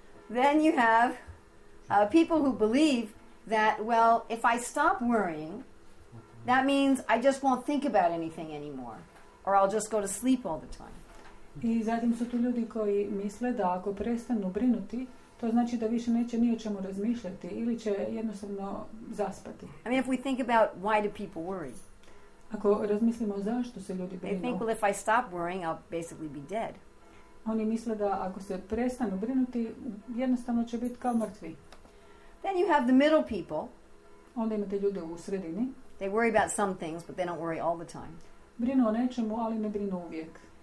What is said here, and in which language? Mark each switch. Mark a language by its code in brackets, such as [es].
[en] Then you have people who believe that, well, if I stop worrying, that means I just won't think about anything anymore. Or I'll just go to sleep all the time. [hr] I zatim su tu ljudi koji misle da ako prestanu brinuti, to znači da više neće ni o čemu razmišljati ili će jednostavno zaspati. [en] I mean, if we think about why do people worry? [hr] Ako razmislimo zašto se ljudi brinu. [en] They think, well, if I stop worrying, I'll basically be dead. [hr] Oni misle da ako se prestanu brinuti, jednostavno će biti kao mrtvi. [en] Then you have the middle people. [hr] Onda imate ljude u sredini. [en] They worry about some things, but they don't worry all the time. [hr] Brinu o nečemu, ali ne brinu uvijek.